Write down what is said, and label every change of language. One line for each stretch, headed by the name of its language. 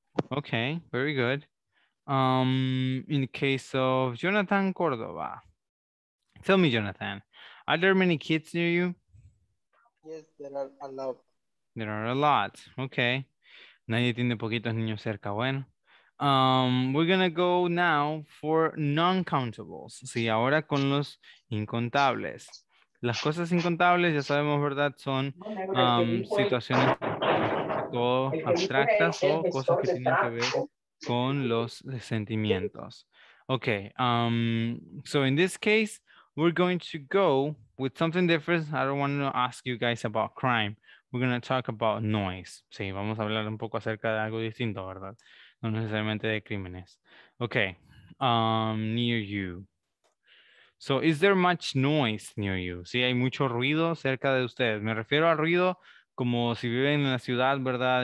English: Okay, very good. In the case of Jonathan Cordova, tell me, Jonathan. Are there many kids near you? Yes, there are a lot. There are a lot. Okay.
Spanish: Nadie tiene poquitos niños cerca. Bueno.
English: We're going to go now for non-countables.
Spanish: Sí, ahora con los incontables. Las cosas incontables, ya sabemos, ¿verdad? Son situaciones. o abstractas o cosas que tienen que ver con los sentimientos.
English: Okay, so in this case, we're going to go with something different. I don't want to ask you guys about crime. We're going to talk about noise.
Spanish: Sí, vamos a hablar un poco acerca de algo distinto, ¿verdad? No necesariamente de crímenes.
English: Okay, near you. So, is there much noise near you?
Spanish: Sí, hay mucho ruido cerca de ustedes. Me refiero a ruido como si viven en la ciudad, ¿verdad?